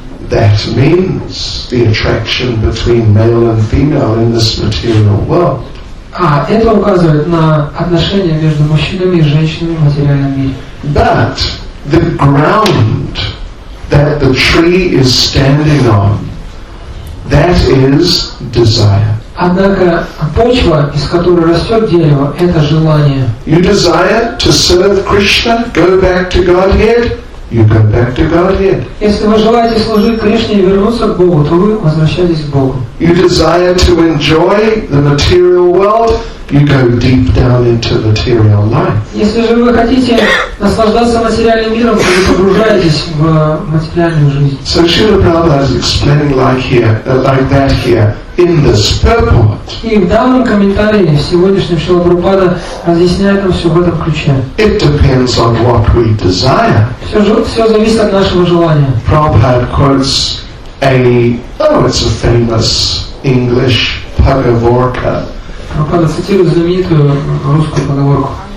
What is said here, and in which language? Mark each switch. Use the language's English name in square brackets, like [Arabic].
[English] That means the attraction between male and female in this material world. [Russian] А это указывает на отношения между мужчинами и женщинами в материальном мире. [English] But the ground that the tree is standing on, that is desire. [Russian] Однако почва, из которой растет дерево, это желание. [English] You desire to serve Krishna, go back to Godhead. You go back to Godhead. [Russian] Если вы желаете служить Кришне и вернуться к Богу, то вы возвращаетесь к Богу. [English] You desire to enjoy the material world, you go deep down into material life. [Russian] Если же вы хотите наслаждаться материальным миром, то вы погружаетесь в материальную жизнь. [English] So Srila Prabhupada is explaining like that here in this purport. [Russian] И в данном комментарии сегодняшнего Шрила Прабхупада разъясняет нам все в этом ключе. [English] It depends on what we desire. [Russian] Все зависит от нашего желания. [English] Prabhupada quotes it's a famous English pagavorka. [Russian] Прабхупада цитирует знаменитую русскую поговорку.